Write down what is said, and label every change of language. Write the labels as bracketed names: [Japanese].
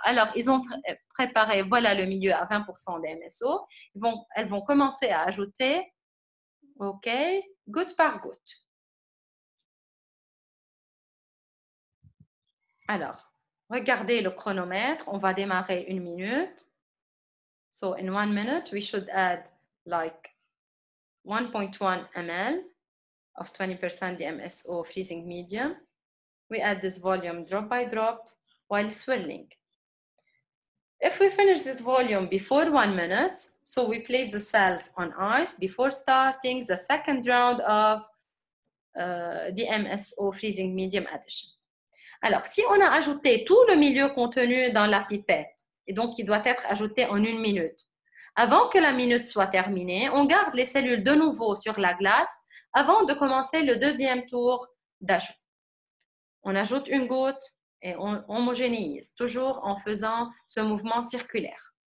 [French] Alors, ils ont préparé, voilà le milieu à 20% DMSO. Elles vont commencer à ajouter, OK, goutte par goutte. Alors, regardez le chronomètre. On va démarrer une minute. [English] So, in 1 minute, we should add like 1.1 ml of 20% DMSO freezing medium. We add this volume drop by drop while swirling. If we finish this volume before 1 minute, so we place the cells on ice before starting the second round of DMSO freezing medium addition. [French] Alors, si on a ajouté tout le milieu contenu dans la pipette, et donc, il doit être ajouté en 1 minute. Avant que la minute soit terminée, on garde les cellules de nouveau sur la glace avant de commencer le deuxième tour d'ajout. On ajoute une goutte et on homogénéise, toujours en faisant ce mouvement circulaire.